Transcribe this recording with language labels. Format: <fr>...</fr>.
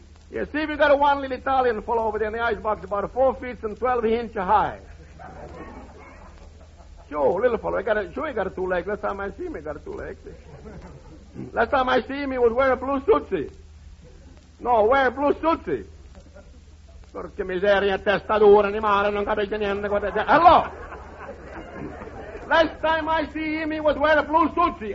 <en>Yeah, see, we got one little Italian fellow over there in the icebox about 4 feet and 12 inches high. Sure, little fellow. He got a two legs. Last time I see him, he got a two legs. Last time I see him, he was wearing a blue suitsy. No, wearing a blue suitsy.</en> <it>Porca miseria, testa dura, animale, non capisce niente.</it> <en>Hello! Last time I see him, he was wearing a blue suitsy.</en>